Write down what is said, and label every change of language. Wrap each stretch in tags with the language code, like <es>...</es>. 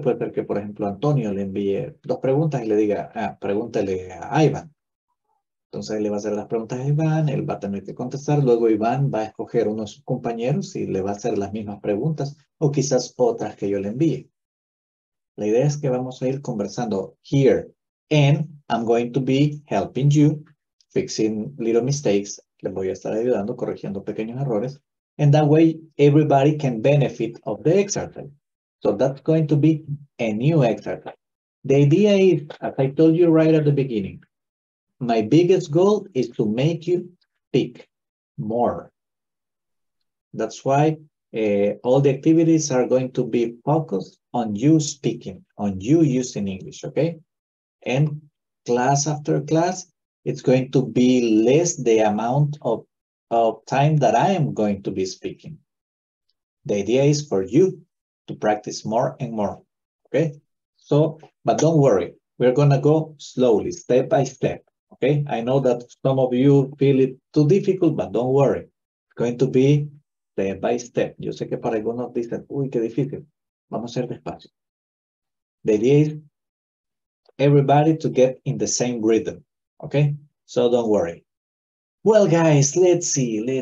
<es>Puede ser que, por ejemplo, Antonio le envíe dos preguntas y le diga, pregúntele a Iván. Entonces, él le va a hacer las preguntas a Iván, él va a tener que contestar. Luego, Iván va a escoger uno de sus compañeros y le va a hacer las mismas preguntas o quizás otras que yo le envíe. La idea es que vamos a ir conversando</es> <en>here. And I'm going to be helping you, fixing little mistakes.</en> <es>Les voy a estar ayudando, corrigiendo pequeños errores.</es> <en>And that way, everybody can benefit of the exercise. So that's going to be a new exercise. The idea is, as I told you right at the beginning, my biggest goal is to make you speak more. That's why all the activities are going to be focused on you speaking, on you using English, okay? And class after class, it's going to be less the amount of time that I am going to be speaking. The idea is for you to practice more and more, okay? So, but don't worry, we're gonna go slowly, step by step, okay? I know that some of you feel it too difficult, but don't worry. It's going to be step by step.</en> <es>Yo sé que para algunos dicen, uy, qué difícil. Vamos a ser despacio.</es> <en>The idea is everybody to get in the same rhythm, okay? So don't worry. Well, guys, let's see.</en>